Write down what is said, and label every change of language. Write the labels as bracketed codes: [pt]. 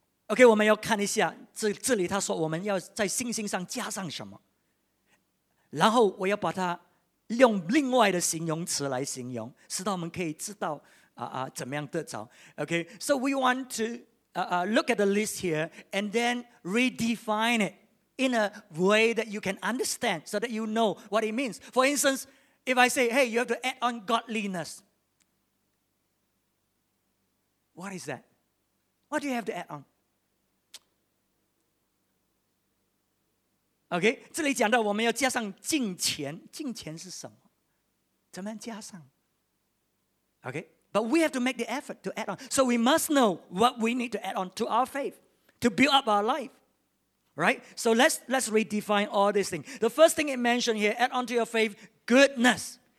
[zh] Okay, 我们要看一下，这里他说我们要在信心上加上什么，然后我要把它用另外的形容词来形容，使到我们可以知道怎么样得着。 [en] Okay, so we want to look at the list here and then redefine it in a way that you can understand so that you know what it means. For instance, if I say, hey, you have to add on godliness. What is that? What do you have to add on? [zh] Okay, 这里讲到我们要加上敬虔。敬虔是什么？怎么样加上？ [en] Okay. But we have to make the effort to add on. So we must know what we need to add on to our faith, to build up our life, right? So let's redefine all these things. The first thing it mentioned here, add on to your faith, goodness.